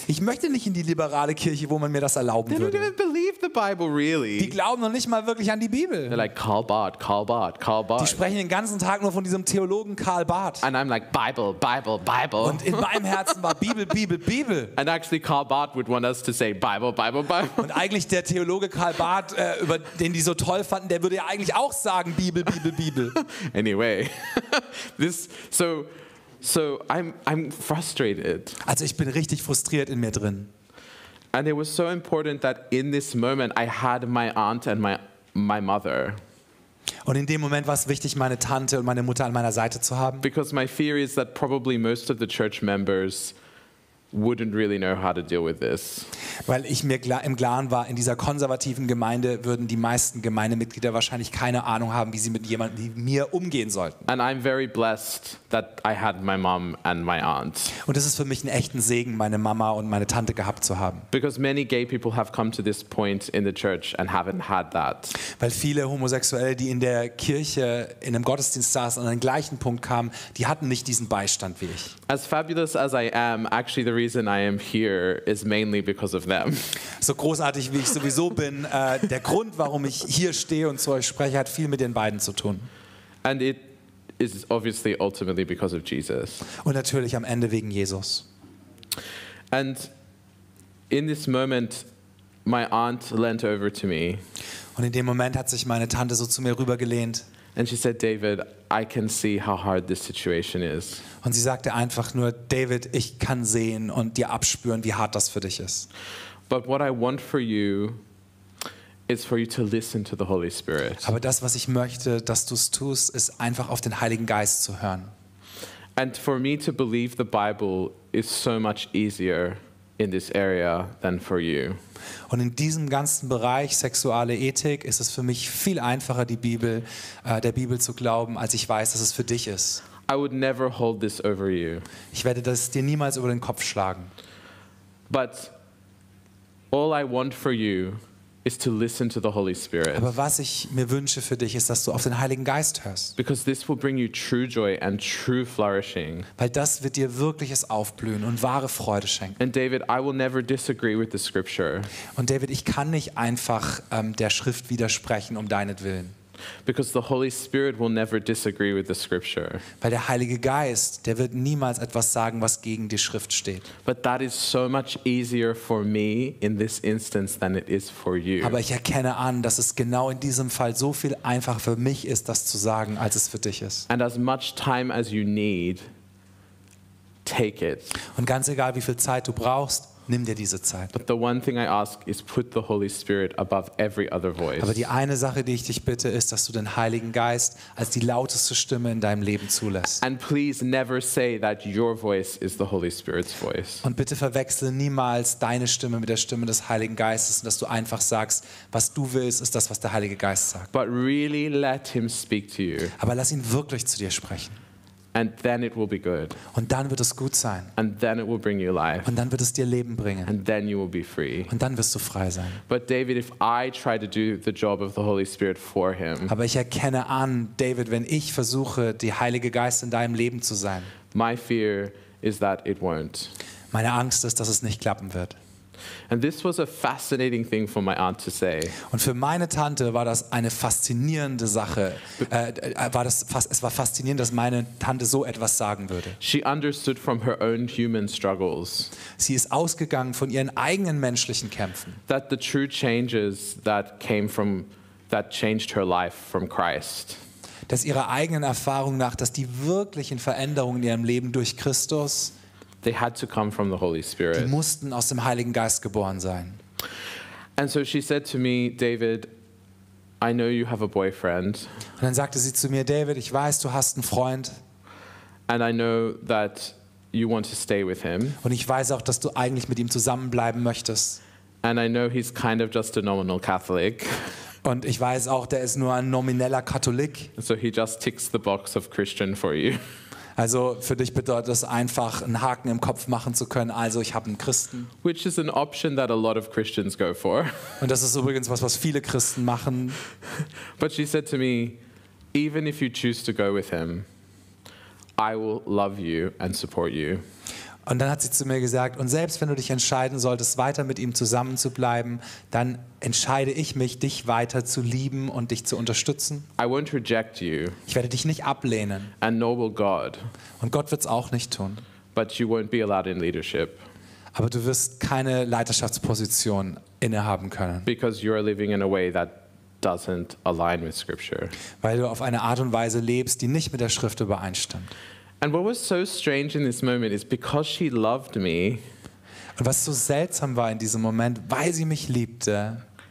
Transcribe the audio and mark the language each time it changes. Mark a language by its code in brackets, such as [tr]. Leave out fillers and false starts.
[de] Ich möchte nicht in die liberale Kirche, wo man mir das erlauben [en] They [de] würde. [en] They don't even believe the Bible really. [de] Die glauben noch nicht mal wirklich an die Bibel. [en] They're like Karl Barth, Karl Barth, Karl Barth. [de] Die sprechen den ganzen Tag nur von diesem Theologen Karl Barth. [en] And I'm like Bible, Bible, Bible. [de] Und in meinem Herzen war Bibel, Bibel, Bibel. [en] And actually Karl Barth would want us to say Bible, Bible, Bible. [de] Und eigentlich der Theologe Karl Barth über den die so toll fanden, der würde ja eigentlich auch sagen Bibel, Bibel, Bibel. [en] Anyway, this so I'm frustrated. [de] Also ich bin richtig frustriert in mir drin. [en] And it was so important that in this moment I had my aunt and my mother. [de] Und in dem Moment war es wichtig, meine Tante und meine Mutter an meiner Seite zu haben. [en] Because my fear is that probably most of the church members wouldn't really know how to deal with this. [de] Weil ich mir im Klaren war, in dieser konservativen Gemeinde würden die meisten Gemeindemitglieder wahrscheinlich keine Ahnung haben, wie sie mit jemandem wie mir umgehen sollten. [en] And I'm very blessed that I had my mom and my aunt. [de] Und es ist für mich ein echten Segen, meine Mama und meine Tante gehabt zu haben. [en] Because many gay people have come to this point in the church and haven't had that. [de] Weil viele Homosexuelle, die in der Kirche in einem Gottesdienst saßen, an den gleichen Punkt kamen, die hatten nicht diesen Beistand wie ich. [en] As fabulous as I am, actually the reason I am here is mainly because of them. [de] So großartig wie ich sowieso bin, der Grund, warum ich hier stehe und zu euch spreche, hat viel mit den beiden zu tun. [en] And it is obviously ultimately because of Jesus. [de] Und natürlich am Ende wegen Jesus. [en] And in this moment my aunt leant over to me. [de] Und in dem Moment hat sich meine Tante so zu mir rübergelehnt. [en] And she said, David, I can see how hard this situation is. [de] Und sie sagte einfach nur, David, ich kann sehen und dir abspüren, wie hart das für dich ist. [en] But what I want for you is for you to listen to the Holy Spirit. [de] Aber das, was ich möchte, dass du es tust, ist einfach auf den Heiligen Geist zu hören. [en] And for me to believe the Bible is so much easier in this area than for you. [de] Und in diesem ganzen Bereich sexuelle Ethik ist es für mich viel einfacher, die Bibel, der Bibel zu glauben, als ich weiß, dass es für dich ist. [en] I would never hold this over you. [de] Ich werde das dir niemals über den Kopf schlagen. [en] But all I want for you is to listen to the Holy Spirit. [de] Aber was ich mir wünsche für dich ist, dass du auf den Heiligen Geist hörst. [en] Because this will bring you true joy and true flourishing. [de] Weil das wird dir wirkliches Aufblühen und wahre Freude schenken. [en] And David, I will never disagree with the scripture. [de] Und David, ich kann nicht einfach der Schrift widersprechen um deinetwillen. [en] Because the Holy Spirit will never disagree with the scripture. [de] Weil der Heilige Geist, der wird niemals etwas sagen, was gegen die Schrift steht. [en] But that is so much easier for me in this instance than it is for you. [de] Aber ich erkenne an, dass es genau in diesem Fall so viel einfacher für mich ist, das zu sagen, als es für dich ist. [en] And as much time as you need, take it. [de] Und ganz egal, wie viel Zeit du brauchst, nimm dir diese Zeit. [en] But the one thing I ask is put the Holy Spirit above every other voice. [de] Aber die eine Sache, die ich dich bitte, ist, dass du den Heiligen Geist als die lauteste Stimme in deinem Leben zulässt. [en] And please never say that your voice is the Holy Spirit's voice. [de] Und bitte verwechsel niemals deine Stimme mit der Stimme des Heiligen Geistes und dass du einfach sagst, was du willst, ist das, was der Heilige Geist sagt. [en] But really let him speak to you. [de] Aber lass ihn wirklich zu dir sprechen. [en] And then it will be good. [de] Und dann wird es gut sein. [en] And then it will bring you life. [de] Und dann wird es dir Leben bringen. [en] And then you will be free. [de] Und dann wirst du frei sein. [en] But David, if I try to do the job of the Holy Spirit for him. [de] Aber ich erkenne an, David, wenn ich versuche, die Heilige Geist in deinem Leben zu sein. [en] My fear is that it won't. [de] Meine Angst ist, dass es nicht klappen wird. [en] And this was a fascinating thing for my aunt to say. [de] Und für meine Tante war das eine faszinierende Sache. Es war faszinierend, dass meine Tante so etwas sagen würde. [en] She understood from her own human struggles. [de] Sie ist ausgegangen von ihren eigenen menschlichen Kämpfen. [en] That the true changes that came from that changed her life from Christ. [de] Dass ihrer eigenen Erfahrung nach, dass die wirklichen Veränderungen in ihrem Leben durch Christus. [en] They had to come from the Holy Spirit. [de] Die mussten aus dem Heiligen Geist geboren sein. [en] And so she said to me, David, I know you have a boyfriend. [de] Und dann sagte sie zu mir, David, ich weiß, du hast einen Freund. [en] And I know that you want to stay with him. [de] Und ich weiß auch, dass du eigentlich mit ihm zusammenbleiben möchtest. [en] And I know he's kind of just a nominal Catholic. [de] Und ich weiß auch, der ist nur ein nomineller Katholik. [en] So he just ticks the box of Christian for you. [de] Also für dich bedeutet es einfach, einen Haken im Kopf machen zu können. Also ich habe einen Christen. [en] Which is an option that a lot of Christians go for. [de] Und das ist übrigens was, was viele Christen machen. [en] But she said to me, even if you choose to go with him, I will love you and support you. [de] Und dann hat sie zu mir gesagt, und selbst wenn du dich entscheiden solltest, weiter mit ihm zusammen zu bleiben, dann entscheide ich mich, dich weiter zu lieben und dich zu unterstützen. [en] I won't reject you. [de] Ich werde dich nicht ablehnen. [en] And nor will God. [de] Und Gott wird es auch nicht tun. [en] But you won't be allowed in leadership. [de] Aber du wirst keine Leiterschaftsposition innehaben können. [en] Because you are living in a way that doesn't align with scripture. [de] Weil du auf eine Art und Weise lebst, die nicht mit der Schrift übereinstimmt. [en] And what was so strange in this moment is because she loved me. [de] Und was so seltsam war in diesem Moment, weil sie mich liebte.